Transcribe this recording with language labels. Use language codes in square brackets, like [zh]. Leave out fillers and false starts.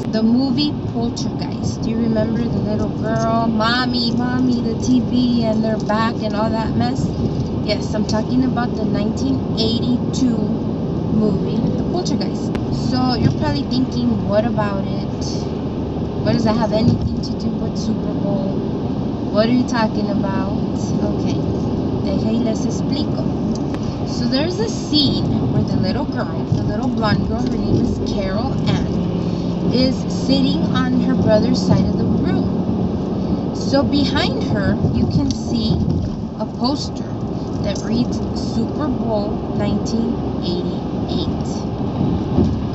[en] The movie Poltergeist. Do you remember the little girl, mommy, the TV and their back and all that mess? Yes, I'm talking about the 1982 movie, The Poltergeist. So you're probably thinking, what about it? What does that have anything to do with Super Bowl? What are you talking about? [es] Okay, déjame les explico. [en] So there's a scene where the little girl, the little blonde girl, her name is Carol Ann, is sitting on her brother's side of the room. So behind her, you can see a poster that reads Super Bowl 1988.